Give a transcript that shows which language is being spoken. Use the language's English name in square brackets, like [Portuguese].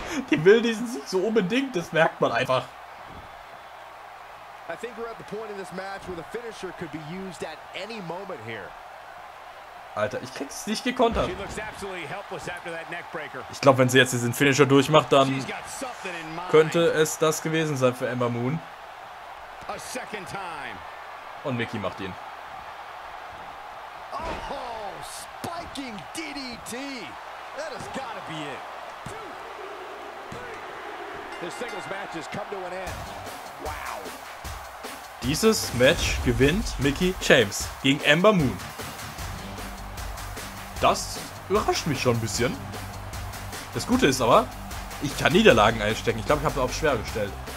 [German] Die will diesen Sieg so unbedingt, das merkt man einfach. [English] I think we're at the point in this match where the finisher could be used at any moment here. [German] Alter, ich krieg's nicht gekontert. [English] She looks absolutely helpless after that neck breaker. [German] Ich glaube, wenn sie jetzt diesen Finisher durchmacht, dann könnte es das gewesen sein für Ember Moon. [English] A second time. [German] Und Mickey macht ihn. [English] Oh, spiking DDT. That has got to be it. This singles match has come to an end. Wow. [German] Dieses Match gewinnt Mickey James gegen Ember Moon. Das überrascht mich schon ein bisschen. Das Gute ist aber, ich kann Niederlagen einstecken. Ich glaube, ich habe es auf schwer gestellt.